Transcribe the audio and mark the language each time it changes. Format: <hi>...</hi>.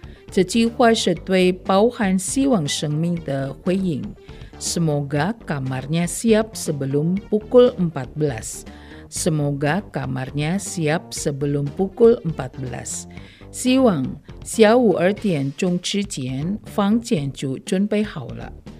<zh>这句话是对包含希望生命的回应.</zh> <id>Semoga kamarnya siap sebelum pukul 14. Semoga kamarnya siap sebelum pukul 14.</id> <zh>希望 12点钟之前 房间就准备好了.</zh>